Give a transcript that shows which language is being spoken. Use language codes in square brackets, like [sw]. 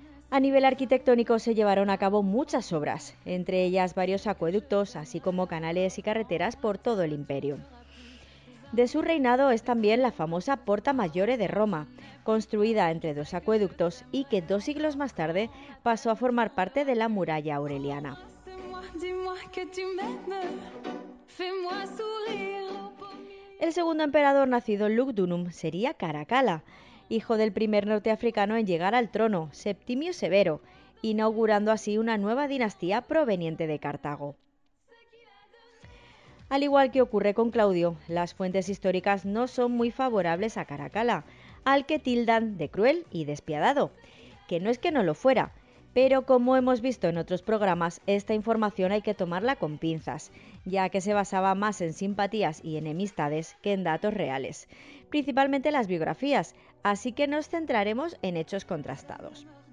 [es] A nivel arquitectónico se llevaron a cabo muchas obras, entre ellas varios acueductos, así como canales y carreteras por todo el imperio. De su reinado es también la famosa Porta Maggiore de Roma, construida entre 2 acueductos y que 2 siglos más tarde pasó a formar parte de la Muralla Aureliana. [fr] Que tu m'aimes, fais-moi sourire. [es] El segundo emperador nacido en Lugdunum sería Caracalla, hijo del primer norteafricano en llegar al trono, Septimio Severo, inaugurando así una nueva dinastía proveniente de Cartago. Al igual que ocurre con Claudio, las fuentes históricas no son muy favorables a Caracalla, al que tildan de cruel y despiadado, que no es que no lo fuera, pero como hemos visto en otros programas, esta información hay que tomarla con pinzas, ya que se basaba más en simpatías y enemistades que en datos reales, principalmente las biografías, así que nos centraremos en hechos contrastados.